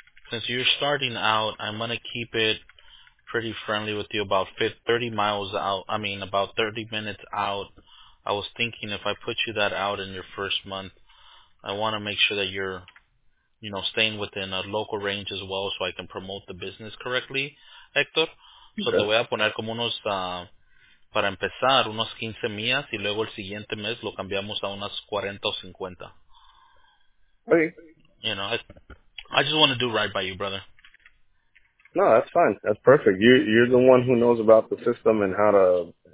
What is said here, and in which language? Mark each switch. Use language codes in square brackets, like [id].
[en] Since you're starting out, I'm going to keep it pretty friendly with you about 30 minutes out. I was thinking if I put you that out in your first month, I want to make sure that you're, you know, staying within a local range as well so I can promote the business correctly, Héctor. [es] So te voy a poner como unos, para empezar, unos 15 millas y luego el siguiente mes lo cambiamos a unas 40 o 50. [en] Okay. You know, I just want to do right by you, brother. No, that's fine. That's perfect. You're the one who knows about the system and how to...